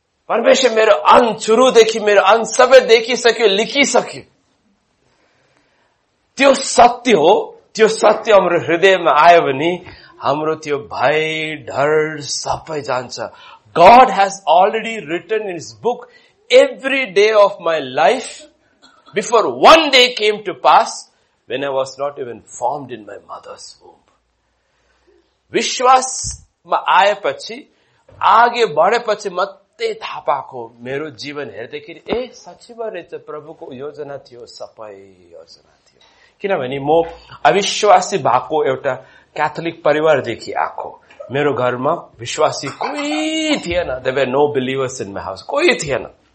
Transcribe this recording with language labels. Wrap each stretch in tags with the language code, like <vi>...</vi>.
<ne>परमेश्वर मेरो अङ्ग सुरुदेखि मेरो अङ्ग सबै देखिसक्यो, लेखिसक्यो। त्यो सत्य हो, त्यो सत्य हाम्रो हृदयमा आयो भने हाम्रो त्यो भय डर सबै जान्छ।</ne> <en>God has already written in his book every day of my life before one day came to pass when I was not even formed in my mother's womb.</en> <ne>विश्वासमा आएपछि आगे बढेपछि मात्रै थाहा पाएको, मेरो जीवन हेर्दाखेरि ए साँच्ची भएछ, प्रभुको योजना थियो, सबै योजना थियो। किनभने म अविश्वासी भएको एउटा क्याथोलिक परिवारदेखि आएको, मेरो घरमा विश्वासी कोही थिएन,</ne> <en>there were no believers in my house,</en> <ne>कोही थिएन।</ne>